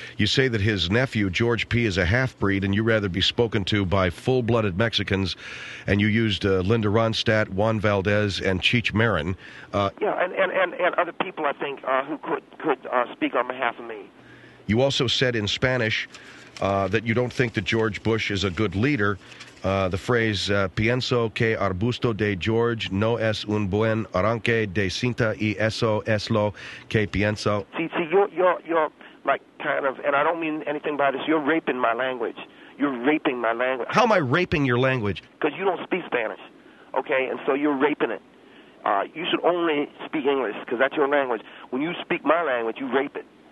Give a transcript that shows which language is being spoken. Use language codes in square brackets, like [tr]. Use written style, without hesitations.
[en] You say that his nephew, George P., is a half-breed, and you'd rather be spoken to by full-blooded Mexicans. And you used Linda Ronstadt, Juan Valdez, and Cheech Marin. And other people, I think, who could speak on behalf of me. You also said in Spanish that you don't think that George Bush is a good leader. The phrase, [es] pienso que Arbusto de George no es un buen arranque de cinta y eso es lo que pienso. [en] See, you're like kind of, and I don't mean anything by this, you're raping my language. You're raping my language. How am I raping your language? Because you don't speak Spanish, okay, and so you're raping it. You should only speak English because that's your language. When you speak my language, you rape it.